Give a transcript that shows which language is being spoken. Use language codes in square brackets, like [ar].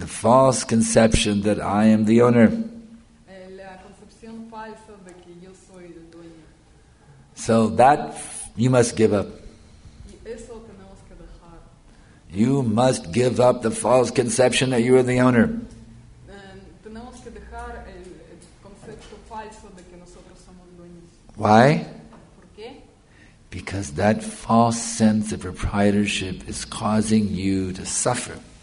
[en] The false conception that I am the owner. [es] La concepción falsa de que yo soy el dueño. [en] So that you must give up. [es] Y eso tenemos que dejar. [en] You must give up the false conception that you are the owner. [es] Tenemos que dejar el concepto falso de que nosotros somos dueños. [en] Why? Because that false sense of proprietorship is causing you to suffer.